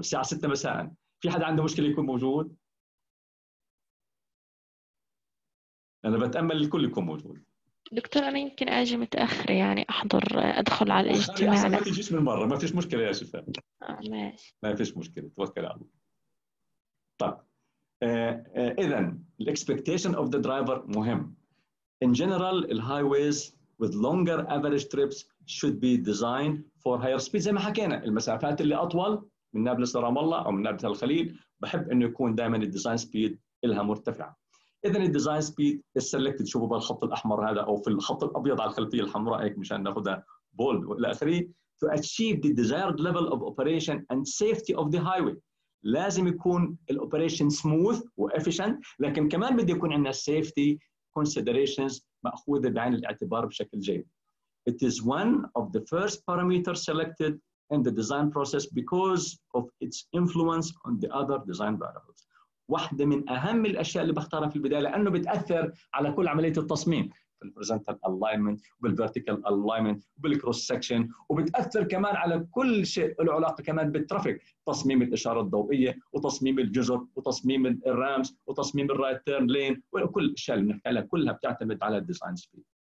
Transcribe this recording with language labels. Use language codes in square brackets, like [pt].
[ar] الساعة 6 مساء في حد عنده مشكلة يكون موجود؟ أنا بتأمل الكل يكون موجود. دكتور أنا يمكن أجي متأخر يعني أحضر أدخل على الاجتماع. ما تجيش من مرة، ما فيش مشكلة يا شفاء. ماشي، ما فيش مشكلة، توكل على الله. طب إذن [en] the expectation of the driver [ar] مهم. [en] In general the highways with longer average trips should be designed for higher speeds. [ar] زي ما حكينا المسافات اللي أطول من نابلس لرام الله أو من نابلس الخليل بحب أنه يكون دائما [en] the design speed [ar] إلها مرتفعة. إذن الديزاين سبيد السلكتد، شوفوا بالخط الأحمر هذا أو في الخط الأبيض على الخلفية الحمراء هيك مشان ناخذها بولد ولا أخري، [en] to achieve the desired level of operation and safety of the highway. [ar] لازم يكون الأوبريشن سموث وإفيشنت، لكن كمان بدي يكون عندنا [en] safety considerations [ar] مأخوذة بعين الاعتبار بشكل جيد. [en] It is one of the first parameters selected in the design process because of its influence on the other design variables. [ar] واحدة من أهم الأشياء اللي بختارها في البداية لأنه بتأثر على كل عملية التصميم، في الهوريزونتال ألاينمنت وبالفيرتيكال ألاينمنت وبالكروس سكشن، وبتأثر كمان على كل شيء له علاقة كمان بالترافيك، تصميم الإشارة الضوئية وتصميم الجزر وتصميم الرامز وتصميم الرايت تيرن لين، وكل الأشياء اللي بنحكي عليها كلها بتعتمد على الديزاين سبيد.